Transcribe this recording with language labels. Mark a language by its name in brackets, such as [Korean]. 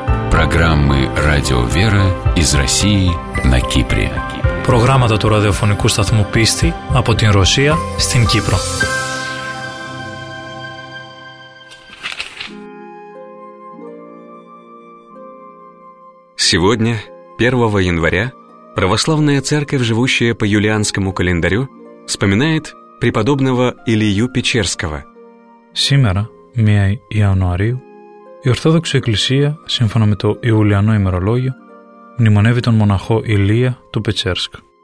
[Russian] программы «Радио Вера» из России на Кипре. Программа [Greek] του ραδιοφωνικού σταθμού Πίστη από την Ρωσία στην Κύπρο. [Russian] Сегодня, 1 января, православная церковь, живущая по юлианскому календарю, вспоминает преподобного Илью Печерского. Сегодня, 1 января, [Greek] η Ορθόδοξη Εκκλησία, σύμφωνα με το Ιουλιανό ημερολόγιο, μνημονεύει τον μοναχό Ηλία του Πετσέρσκ.